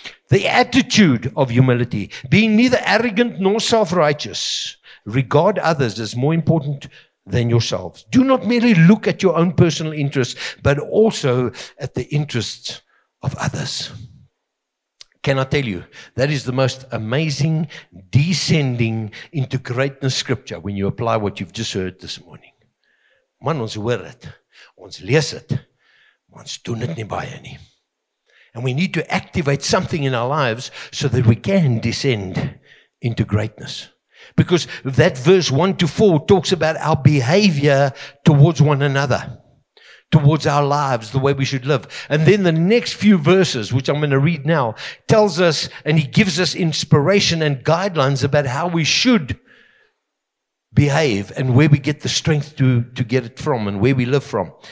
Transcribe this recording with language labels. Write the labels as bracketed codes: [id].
[en] The attitude of humility, being neither arrogant nor self-righteous, regard others as more important than yourselves. Do not merely look at your own personal interests, but also at the interests of others. Can I tell you, that is the most amazing descending into greatness scripture when you apply what you've just heard this morning. [af] Man, ons hoor het, ons lees het, ons doen het nie baie nie. [en] And we need to activate something in our lives so that we can descend into greatness. Because that verse 1-4 talks about our behavior towards one another, towards our lives, the way we should live. And then the next few verses, which I'm going to read now, tells us and he gives us inspiration and guidelines about how we should behave and where we get the strength to get it from and where we live from.